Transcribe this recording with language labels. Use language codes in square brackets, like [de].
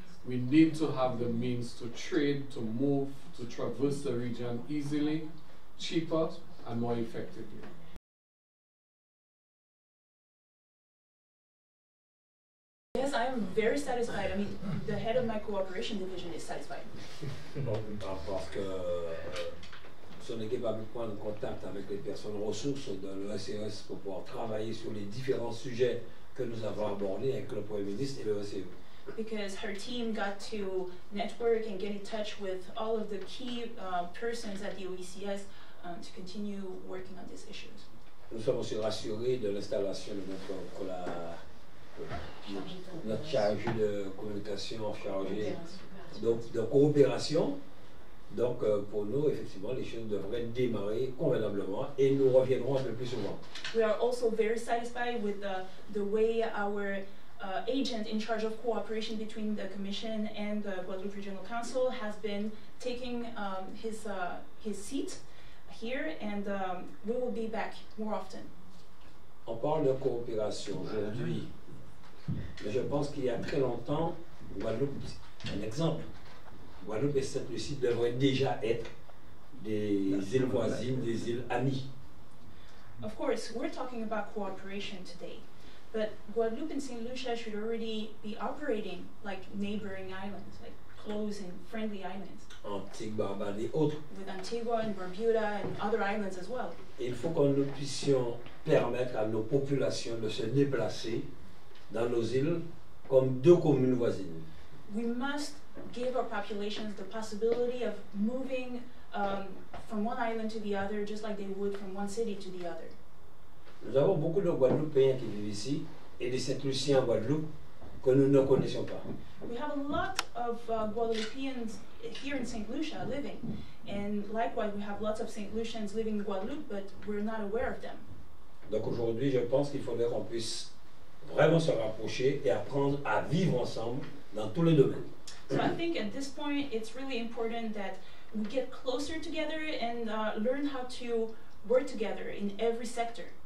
[en] We need to have the means to trade, to move, to traverse the region easily, cheaper, and more effectively. Yes, I am very satisfied. I mean, the head of my cooperation division is satisfied. [fr] Parce que son équipe a mis point de contact avec les personnes ressources de l'OECS pour pouvoir travailler sur les différents sujets que nous avons abordés avec le Premier ministre et l'OECS. [en] Because her team got to network and get in touch with all of the key persons at the OECS to continue working on these issues. [fr] Nous sommes aussi rassurés de l'installation de notre notre chargé de communication, chargé de coopération. Donc pour nous, effectivement, les choses devraient démarrer convenablement et nous reviendrons un peu plus souvent. [en] We are also very satisfied with the way our agent in charge of cooperation between the Commission and the Guadeloupe Regional Council has been taking his seat here, and we will be back more often. [fr] On parle de coopération aujourd'hui. Mais je pense qu'il y a très longtemps, Guadeloupe, un exemple, Guadeloupe et Sainte-Lucie devraient déjà être des îles voisines, des îles amies. [en] Of course, we're talking about cooperation today, but Guadeloupe and Saint Lucia should already be operating like neighboring islands, like close and friendly islands. [fr] Antigua, Barbuda et autres. [en] With Antigua and Barbuda and other islands as well. [fr] Il faut que nous puissions permettre à nos populations de se déplacer dans nos îles comme deux communes voisines. [en] We must give our populations the possibility of moving from one island to the other just like they would from one city to the other. [fr] Nous avons beaucoup de Guadeloupéens qui vivent ici et des Saint-Luciens en Guadeloupe que nous ne connaissons pas. [en] We have a lot of Guadeloupeans here in Saint Lucia living, and likewise we have lots of Saint Lucians living in Guadeloupe, but we're not aware of them. [fr] Donc aujourd'hui, je pense qu'il faudrait qu'on puisse vraiment se rapprocher et apprendre à vivre ensemble dans tous les domaines. [en] So I think at this point it's really important that we get closer together and learn how to work together in every sector.